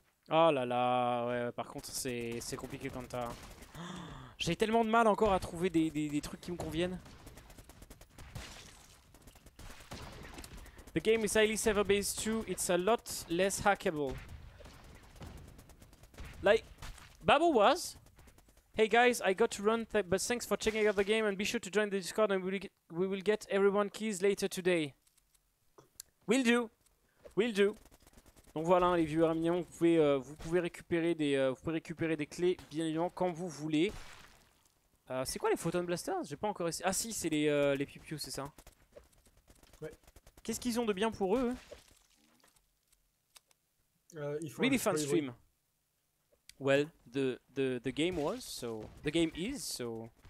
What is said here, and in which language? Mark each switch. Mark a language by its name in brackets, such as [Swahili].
[French] Oh là là, ouais, par contre c'est compliqué quand t'as. J'ai tellement de mal encore à trouver des trucs qui me conviennent. [English] The game is highly server based too, it's a lot less hackable. Like, Babu was. Hey guys, I got to run, but thanks for checking out the game and be sure to join the Discord and we will get everyone keys later today. Will do, will do. [French] Donc voilà les viewers mignons, vous pouvez récupérer des clés bien évidemment quand vous voulez. C'est quoi les photon blasters? J'ai pas encore essayé. Ah si, c'est les pipiou, c'est ça. Ouais. Qu'est-ce qu'ils ont de bien pour eux? [English] Really fun stream. Well, the game was, so the game is, so.